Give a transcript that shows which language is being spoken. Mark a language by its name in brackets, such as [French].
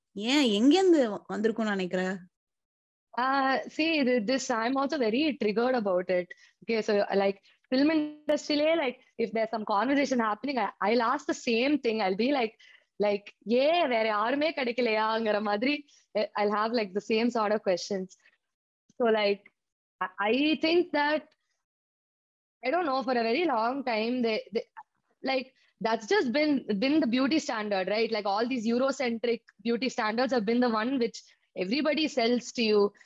[Tamil] Yeah, எங்கேந்து வந்திருக்கும் நினைக்கிறேன். [English] See, this I'm also very triggered about it. Okay, so like film industry, like if there's some conversation happening, I'll ask the same thing. I'll be like, yeah, [Tamil] வேற யாருமே கிடைக்கலையா அங்க மாதிரி. [English] I'll have like the same sort of questions. So like, I think that, I don't know, for a very long time, they that's just been the beauty standard, right? Like all these Eurocentric beauty standards have been the one which everybody sells to you.